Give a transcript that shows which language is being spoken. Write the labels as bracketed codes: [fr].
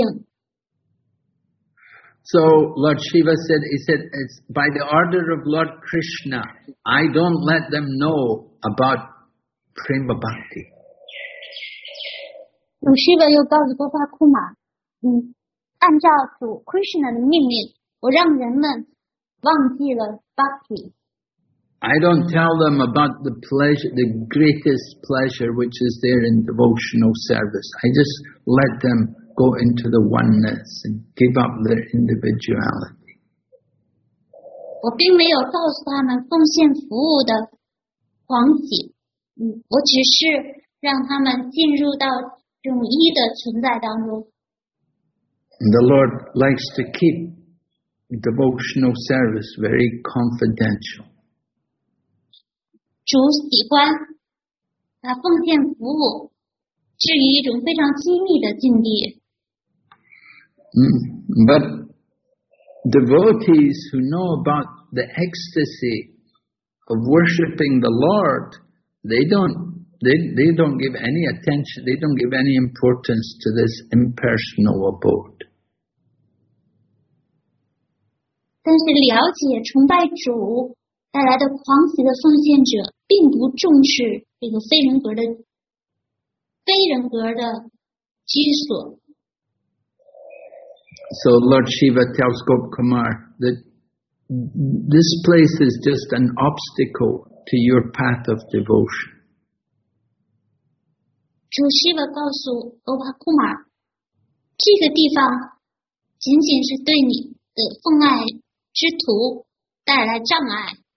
[zh] 人们到这里来，他们是要融入到这个一的存在当中，他们已经放弃了他们的个体性。 [en] So Lord Shiva said, he said, it's by the order of Lord Krishna, I don't let them know about Prema Bhakti. [zh] Lord Shiva 又告诉波巴库玛，按照主 Krishna 的命令，我让人们 [en] I don't tell them about the pleasure, the greatest pleasure which is there in devotional service. I just let them go into the oneness and give up their individuality. [zh] 我并没有告诉他们奉献服务的狂喜，我只是让他们进入到种一的存在当中。 [en] And the Lord likes to keep devotional service very confidential. [zh] 主喜欢把奉献服务置于一种非常机密的境地。 [en] But devotees who know about the ecstasy of worshipping the Lord, they don't give any attention, they don't give any importance to this impersonal abode. [zh] 但是了解崇拜主带来的狂喜的奉献者并不重视这个非人格的居所。 [en] So Lord Shiva tells Gop Kumar that this place is just an obstacle to your path of devotion. [zh] 主 Shiva 告诉 Gop Kumar, 这个地方仅仅是对你的奉爱之途带来障碍。